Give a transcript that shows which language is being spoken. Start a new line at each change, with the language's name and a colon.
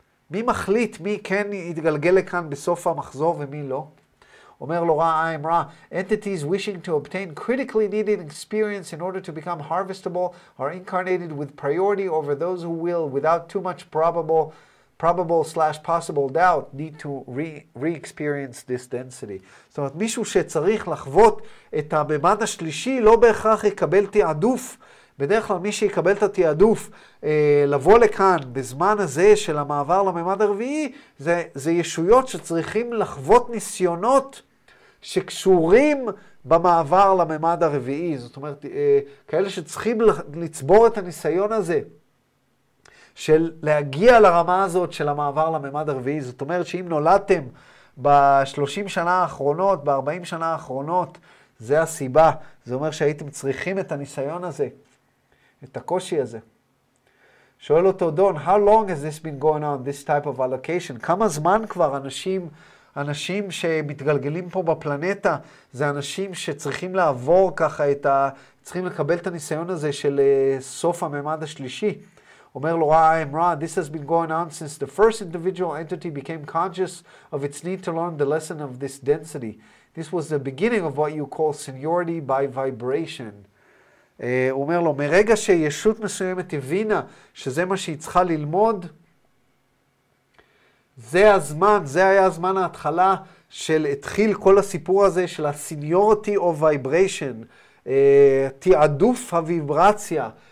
Hebrew: מי מחליט מי כן יתגלגל לכאן בסוף המחזור ומי לא? אומר לו
English: רע, I'm Ra, entities wishing to obtain critically needed experience in order to become harvestable are incarnated with priority over those who will, without too much probable/possible doubt, need to re-experience this density.
Hebrew: זאת אומרת, מישהו שצריך לחוות את הממד השלישי לא בהכרח יקבל תיעדוף. בדרך כלל מי שיקבל את התיעדוף לבוא לכאן בזמן הזה של המעבר לממד הרביעי, זה ישויות שצריכים לחוות ניסיונות שקשורים במעבר לממד הרביעי. זאת אומרת, כאלה שצריכים לצבור את הניסיון הזה של להגיע לרמה הזאת של המעבר לממד הרביעי. זאת אומרת שאם נולדתם ב-30 שנה האחרונות, ב-40 שנה האחרונות, זה הסיבה. זה אומר שהייתם צריכים את הניסיון הזה, את הקושי הזה. שואל אותו דון,
English: how long has this been going on, this type of allocation?
Hebrew: כמה זמן כבר אנשים אנשים שמתגלגלים פה בפלנטה, זה אנשים שצריכים לעבור ככה את ה... צריכים לקבל את הניסיון הזה של סוף הממד השלישי. אומר לו,
English: this has been going on since the first individual entity became conscious of its need to learn the lesson of this density. This was the beginning of what you call seniority by vibration.
Hebrew: הוא אומר לו, מרגע שישות מסוימת הבינה שזה מה שהיא צריכה ללמוד, זה הזמן, זה היה הזמן ההתחלה של התחיל כל הסיפור הזה של ה-
English: seniority of vibration,
Hebrew: תיעדוף הוויברציה.